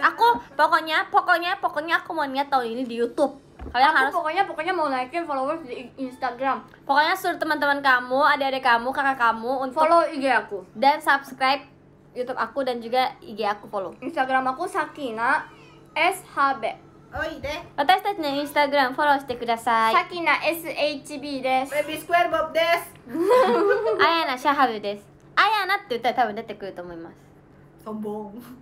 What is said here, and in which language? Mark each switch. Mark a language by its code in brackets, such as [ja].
[id] Aku pokoknya, aku mau niat tahun ini di YouTube. Kalian aku harus pokoknya mau naikin followers di Instagram. Pokoknya suruh teman-teman kamu, adik-adik kamu, kakak kamu untuk follow IG aku dan subscribe YouTube aku dan juga IG aku follow. Instagram aku Sakina SHB. Oi de. [ja] 私たちの Instagram follow してください。 Sakina SHB です。 Baby Square Bob です。 Ayana Shahab です。 Ayana って言ったら多分出てくると思います。